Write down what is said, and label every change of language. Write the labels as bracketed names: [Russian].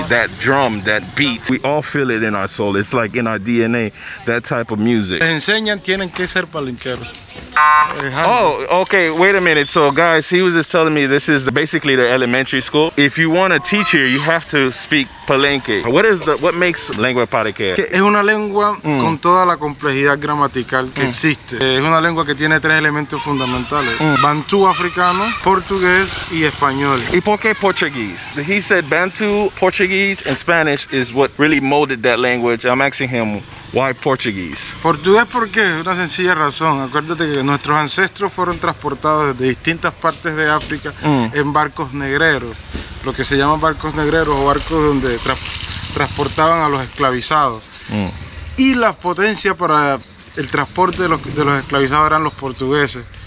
[English] That drum, that beat. We all feel it in our soul. It's like in our DNA, that type of music. [Spanish] Enseñan tienen que ser palenquero. [English] Oh, okay, wait a minute. So guys, he was just telling me this is basically the elementary school. If you want to teach here, you have to speak Palenque. What makes lengua palenque? [Spanish] Es una lengua con toda la complejidad gramatical que existe. Es una lengua que tiene tres elementos fundamentales. Bantu africano, portugués y español. ¿Y por qué portugués? [English] He said Bantu, Portuguese, and Spanish is what really molded that language. I'm asking him, Why Portuguese? [Spanish] Portugués porque es una sencilla razón. Acuérdate que nuestros ancestros fueron transportados desde distintas partes de África en barcos negreros. Lo que se llaman barcos negreros o barcos donde transportaban a los esclavizados. Y la potencia para el transporte de los esclavizados eran los portugueses.